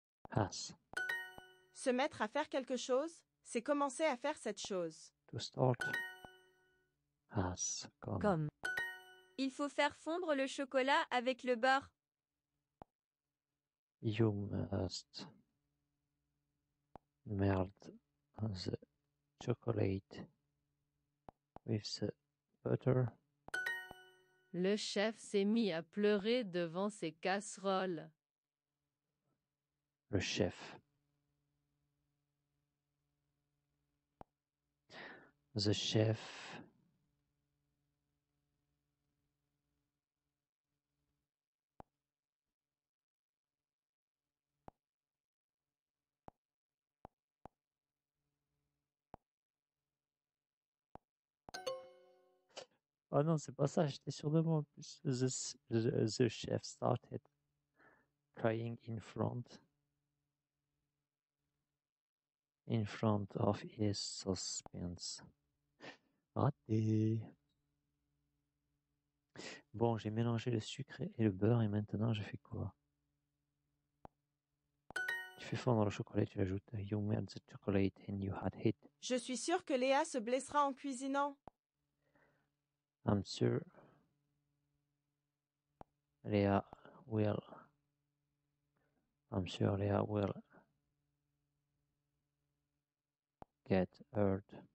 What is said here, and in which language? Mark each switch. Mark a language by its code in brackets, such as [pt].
[en] Pass. [fr] Se mettre à faire quelque chose, c'est commencer à faire cette chose. [en] To start. Pass. Come. Come. [fr] Il faut faire fondre le chocolat avec le beurre. [en] You must melt the chocolate with the butter. [fr] Le chef s'est mis à pleurer devant ses casseroles. Le chef. [en] The chef. [fr] Oh non, c'est pas ça, j'étais sûr de moi. [en] The chef started crying in front of his suspense. [fr] Raté. Bon, j'ai mélangé le sucre et le beurre et maintenant je fais quoi? Tu fais fondre le chocolat, tu ajoutes [en] you melt the chocolate and you had it. [fr] Je suis sûr que Léa se blessera en cuisinant. [en] I'm sure Léa will. I'm sure Léa will get hurt.